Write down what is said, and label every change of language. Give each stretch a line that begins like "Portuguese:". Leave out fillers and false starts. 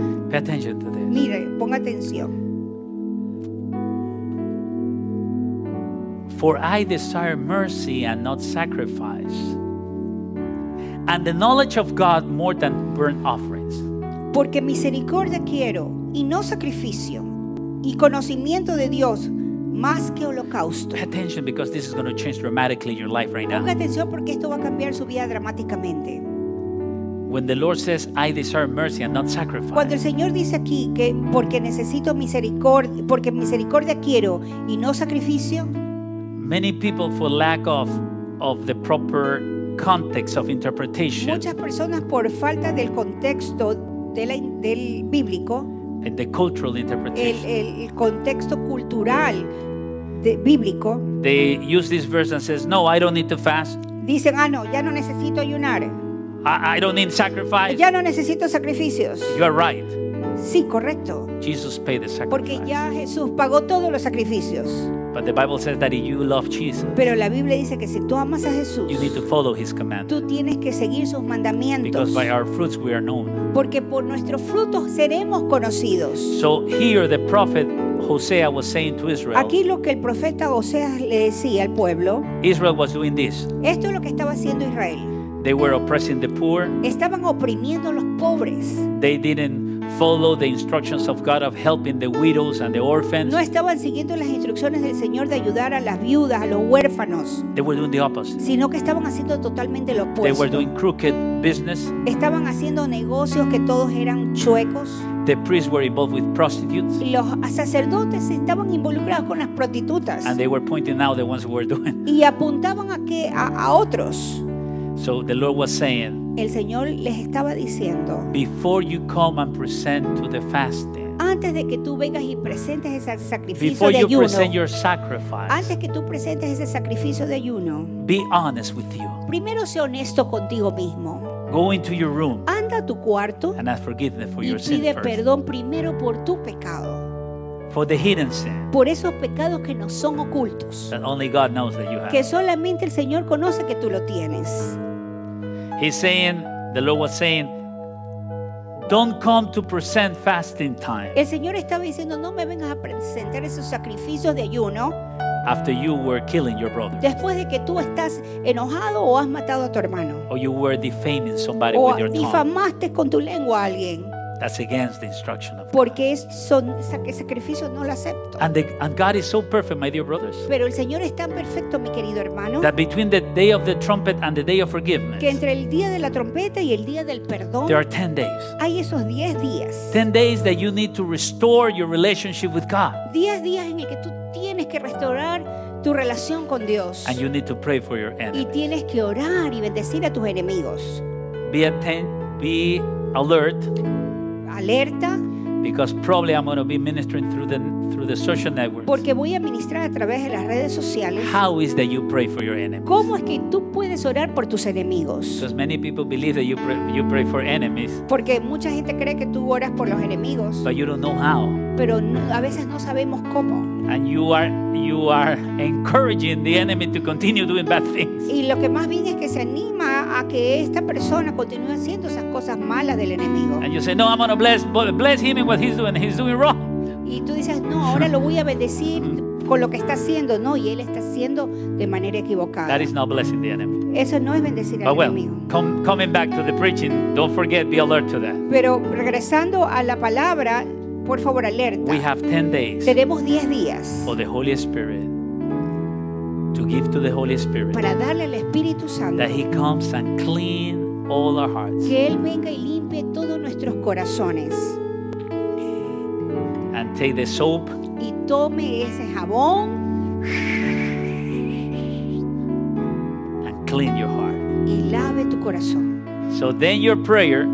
English: Pay attention to this.
Spanish: Mire, ponga atención.
English: For I desire mercy and not sacrifice. And the knowledge of God more than burnt offerings.
Spanish: Porque misericordia quiero y no sacrificio y conocimiento de Dios más que holocausto.
English: Pay attention because this is going to change dramatically your life right now.
Spanish: Ponga atención porque esto va a cambiar su vida dramáticamente.
English: When the Lord says, "I desire mercy and not sacrifice."
Spanish: Cuando el Señor dice aquí que porque necesito misericordia, porque misericordia quiero y no sacrificio.
English: Many people for lack of the proper context of interpretation.
Spanish: Muchas personas por falta del contexto del bíblico.
English: And the cultural interpretation.
Spanish: El contexto cultural de bíblico.
English: They use this verse and says, "No, I don't need to fast."
Spanish: Dicen, "Ah, no, ya no necesito ayunar."
English: I don't need sacrifice.
Spanish: Ya no necesito sacrificios.
English: You are right.
Spanish: Sí, correcto.
English: Jesus paid the sacrifice.
Spanish: Porque ya Jesús pagó todos los sacrificios.
English: But the Bible says that if you love Jesus,
Spanish: pero la Biblia dice que si tú amas a Jesús,
English: you need to follow his commandments.
Spanish: Tú tienes que seguir sus mandamientos.
English: Because by our fruits we are known.
Spanish: Porque por nuestros frutos seremos conocidos.
English: So here the prophet Hosea was saying to Israel.
Spanish: Aquí lo que el profeta Oseas le decía al pueblo.
English: Israel was doing this.
Spanish: Esto es lo que estaba haciendo Israel.
English: They were oppressing the poor.
Spanish: Estaban oprimiendo los pobres.
English: They didn't follow the instructions of God of helping the widows and the orphans.
Spanish: No estaban siguiendo las instrucciones del Señor de ayudar a las viudas, a los huérfanos.
English: They were doing the opposite.
Spanish: Sino que estaban haciendo totalmente lo opuesto.
English: They were doing crooked business.
Spanish: Estaban haciendo negocios que todos eran chuecos.
English: The priests were involved with prostitutes.
Spanish: Los sacerdotes estaban involucrados con las prostitutas.
English: And they were pointing out the ones who were doing.
Spanish: Y apuntaban a qué, a otros.
English: So the Lord was saying,
Spanish: el Señor les estaba diciendo,
English: before you come and present to the fasting,
Spanish: antes de que tú vengas y presentes ese sacrificio
English: before
Spanish: de
English: you
Spanish: ayuno,
English: present your sacrifice,
Spanish: antes que tú presentes ese sacrificio de ayuno,
English: be honest with you.
Spanish: Primero sé honesto contigo mismo.
English: Go into your room.
Spanish: Anda a tu cuarto.
English: And ask forgiveness for
Spanish: y
English: your sin first.
Spanish: Pide perdón primero por tu pecado.
English: For the hidden sin.
Spanish: Por esos pecados que no son ocultos.
English: That only God knows that you have.
Spanish: Que solamente el Señor conoce que tú lo tienes.
English: He's saying, the Lord was saying, don't come to present fasting time.
Spanish: El Señor estaba diciendo, no me vengas a presentar esos sacrificios de ayuno.
English: After you were killing your brother.
Spanish: Después de que tú estás enojado o has matado a tu hermano.
English: Or you were defaming somebody with your tongue.
Spanish: O difamaste con tu lengua a alguien.
English: That's against the instruction of God.
Spanish: Porque esos sacrificios no lo acepto.
English: And God is so perfect, my dear brothers.
Spanish: Pero el Señor es tan perfecto, mi querido hermano.
English: That between the day of the trumpet and the day of forgiveness.
Spanish: Que entre el día de la trompeta y el día del perdón.
English: There are 10 days.
Spanish: Hay esos 10 días.
English: 10 days that you need to restore your relationship with God.
Spanish: 10 días en el que tú tienes que restaurar tu relación con Dios.
English: And you need to pray for your enemies.
Spanish: Y tienes que orar y bendecir a tus enemigos.
English: Be alert.
Spanish: Alerta.
English: Because probably I'm going to be ministering through the social networks.
Spanish: Porque voy a ministrar a través de las redes sociales.
English: How is that you pray for your enemies?
Spanish: ¿Cómo es que tú puedes orar por tus enemigos?
English: Because many people believe that you pray for enemies.
Spanish: Porque mucha gente cree que tú oras por los enemigos.
English: But you don't know how.
Spanish: Pero a veces no sabemos cómo.
English: And you are encouraging the enemy to continue doing bad things.
Spanish: Y lo que más bien es que se anima a que esta persona continúe haciendo esas cosas malas del enemigo.
English: And you say, no, I'm going to bless him in what he's doing wrong.
Spanish: Y tú dices, no, ahora lo voy a bendecir con lo que está haciendo. No, y él está haciendo de manera equivocada.
English: That is not blessing the enemy.
Spanish: Eso no es bendecir
English: but
Spanish: al
English: well,
Spanish: enemigo.
English: Coming back to the preaching, don't forget, be alert to that.
Spanish: Pero regresando a la palabra, por favor, alerta.
English: We have 10 days.
Spanish: Tenemos 10 días.
English: For the Holy Spirit. To give to the Holy Spirit.
Spanish: Para darle al Espíritu Santo.
English: That he comes and clean all our hearts.
Spanish: Que él venga y limpie todos nuestros corazones.
English: And take the soap.
Spanish: Y tome ese jabón.
English: And clean your heart.
Spanish: Y lave tu corazón.
English: So then your prayer.